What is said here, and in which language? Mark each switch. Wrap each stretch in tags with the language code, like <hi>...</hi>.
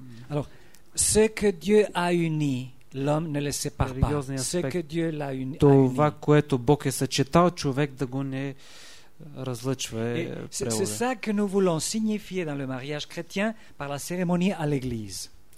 <fr>Alors, ce que Dieu a uni l'homme ne le sépare pas. Ce que Dieu l'a uni.</fr> <bg>Това, което Бог е съчетал, човек да го не разлъчва.</bg> <fr>C'est ça que nous voulons signifier dans le mariage chrétien par la cérémonie à l'église.</fr>